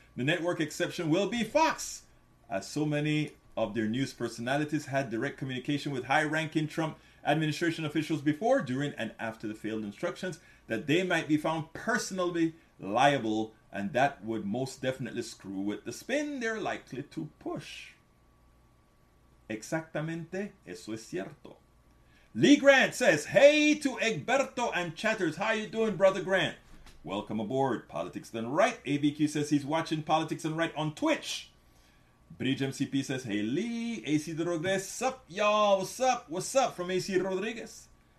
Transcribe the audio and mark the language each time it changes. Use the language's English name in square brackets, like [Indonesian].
[English] The network exception will be Fox, as so many of their news personalities had direct communication with high-ranking Trump administration officials before, during, and after the failed instructions that they might be found personally liable, and that would most definitely screw with the spin they're likely to push. [Spanish] Exactamente, eso es cierto. [English] Lee Grant says, hey to Egberto and Chatters. How you doing, Brother Grant? Welcome aboard, Politics Done Right. ABQ says he's watching Politics Done Right on Twitch. Bridge MCP says, hey Lee, AC de Rodriguez, sup y'all, what's up from AC Rodriguez.